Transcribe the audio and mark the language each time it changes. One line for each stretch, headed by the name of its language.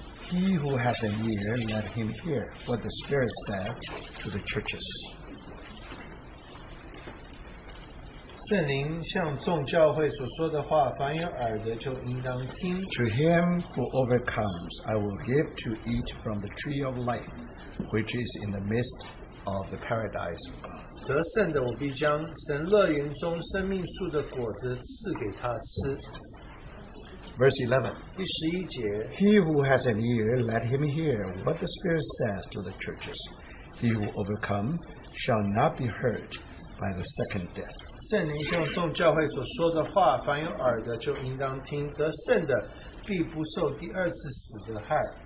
English: He who has an ear, let him hear what the Spirit says to the churches.
Chinese: 圣灵向众教会所说的话，凡有耳的就应当听。
English: To him who overcomes, I will give to eat from the tree of life, which is in the midst of the paradise of God.
Chinese: 得胜的，我必将神乐园中生命树的果子赐给他吃。
English: Verse 11.
Chinese: 第十一节。
English: He who has an ear, let him hear what the Spirit says to the churches. He who overcomes shall not be hurt by the second death.
Chinese: 圣灵向众教会所说的话，凡有耳的就应当听。得胜的必不受第二次死的害。